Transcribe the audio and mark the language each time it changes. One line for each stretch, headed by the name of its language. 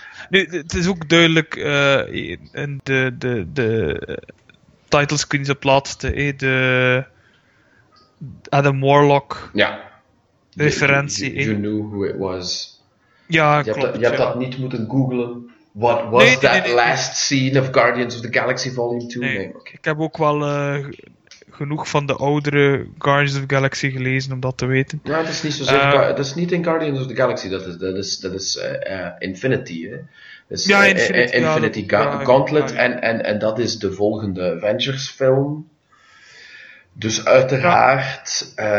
Dutch: Nu, het is ook duidelijk in de titlescreens op laatste, de Adam Warlock referentie.
English: You knew who it was.
Dutch: Ja, Je hebt dat niet moeten googlen.
English: What was last scene of Guardians of the Galaxy Volume 2?
Dutch: Nee. Ik heb ook wel genoeg van de oudere Guardians of the Galaxy gelezen om dat te weten. Ja, het is niet zozeer. Dat is niet in Guardians of the Galaxy, dat is Infinity. Infinity Gauntlet. En dat is de volgende Avengers film. Dus uiteraard...